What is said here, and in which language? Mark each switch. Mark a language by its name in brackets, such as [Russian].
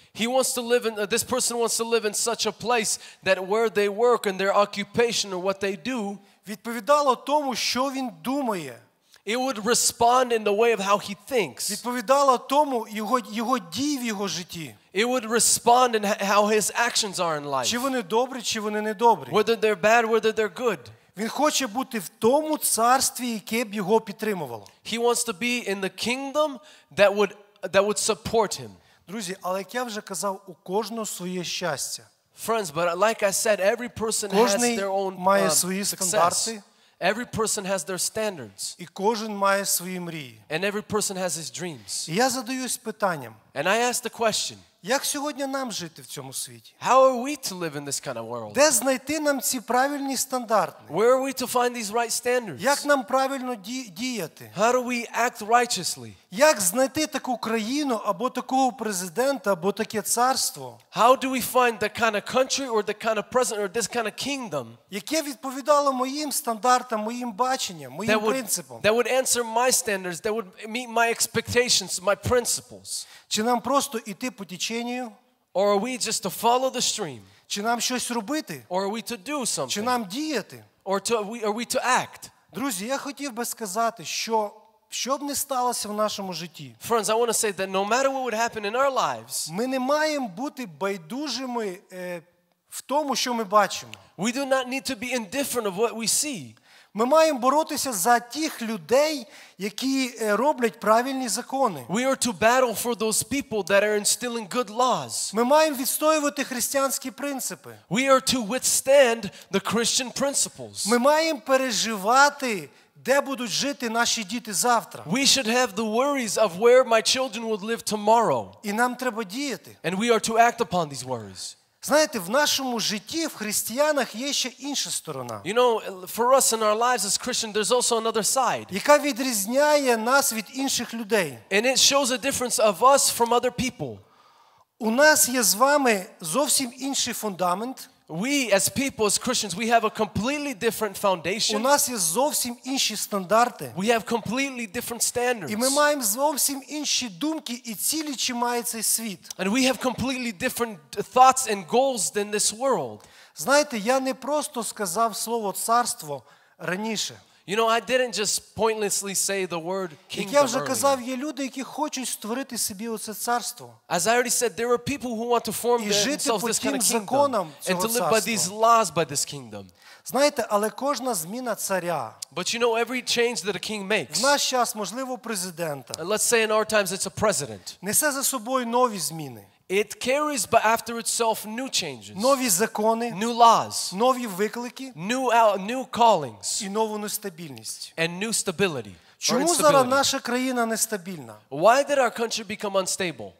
[English] He wants to live in, this person wants to live in such a place that where they work and their occupation or what they do [Ukrainian] відповідало тому, що він думає. [English] It would respond in the way of how he thinks. [Ukrainian] Відповідало тому його дій в його житті. [English] It would respond in how his actions are in life. [Ukrainian] Чи вони добрі, чи вони не добрі. [English] Whether they're bad, whether they're good. [Ukrainian] Він хоче бути в тому царстві, яке б його підтримувало. [English] He wants to be in the kingdom that would support him. [Ukrainian] Друзі, але як я вже казав, у кожного своє щастя. [English] Friends, but like I said, every person [Ukrainian] кожний [English] has their own [Ukrainian] має свої стандарти. [English] Every person has their standards. [Ukrainian] І кожен має свої мрії. [English] And every person has his dreams. [Ukrainian] І я задаюсь питанням. [English] And I ask the question. [Ukrainian] Як сьогодні нам жити в цьому світі? [English] How are we to live in this kind of world? [Ukrainian] Де знайти нам ці правильні стандарти? [English] Where are we to find these right standards? [Ukrainian] Як нам правильно діяти? [English] How do we act righteously? [Ukrainian] Як знайти таку країну або такого президента або таке царство? [English] How do we find the kind of country or the kind of president or this kind of kingdom? [Ukrainian] Яке відповідало моїм стандартам, моїм баченням, моїм принципам? [English] That would answer my standards, that would meet my expectations, my principles. [Ukrainian] Чи нам просто йти по течению? [English] Or are we just to follow the stream? [Ukrainian] Чи нам щось робити? [English] Or are we to do something? [Ukrainian] Чи нам діяти? [English] Or are we to act? [Ukrainian] Друзі, я хотів би сказати, що щоб не сталося в нашому житті. [English] Friends, I want to say that no matter what would happen in our lives, [Ukrainian] ми не маємо бути байдужими в тому, що ми бачимо. [English] We do not need to be indifferent of what we see. [Ukrainian] Ми маємо боротися за тих людей, які роблять правильні закони. [English] We are to battle for those people that are instilling good laws. [Ukrainian] Ми маємо відстоювати християнські принципи. [English] We are to withstand the Christian principles. [Ukrainian] Ми маємо переживати, де будуть жити наші діти завтра. [English] We should have the worries of where my children would live tomorrow. [Ukrainian] І нам треба діяти. [English] And we are to act upon these worries. [Ukrainian] Знаєте, в нашому житті, в християнах є ще інша сторона. [English] You know, for us in our lives as Christians, there's also another side. [Ukrainian] Яка відрізняє нас від інших людей. [English] And it shows a difference of us from other people. [Ukrainian] У нас є з вами зовсім інший фундамент. [English] We as people, as Christians, we have a completely different foundation. [Ukrainian] У нас є зовсім інші стандарти. [English] We have completely different standards. [Ukrainian] І ми маємо зовсім інші думки і цілі, чи має цей світ. [English] And we have completely different thoughts and goals than this world. [Ukrainian] Знаєте, я не просто сказав слово царство раніше. [English] You know, I didn't just pointlessly say the word kingdom. [Ukrainian] Як я вже казав, є люди, які хочуть створити собі оце царство. [English] As I already said, there are people who want to form themselves this kind of kingdom. And to live by these laws, by this kingdom. [Ukrainian] Знаєте, але кожна зміна царя. [English] But you know, every change that a king makes. [Ukrainian] В наш час, можливо, президента. [English] Let's say in our times it's a president. [Ukrainian] Несе за собою нові зміни. [English] It carries but after itself new changes. [Ukrainian] Нові закони, [English] new laws, [Ukrainian] нові виклики, [English] new callings, [Ukrainian] і нову нестабільність. [English] And new stability. [Ukrainian] Чому зараз наша країна нестабільна? [English] Why did our country become unstable?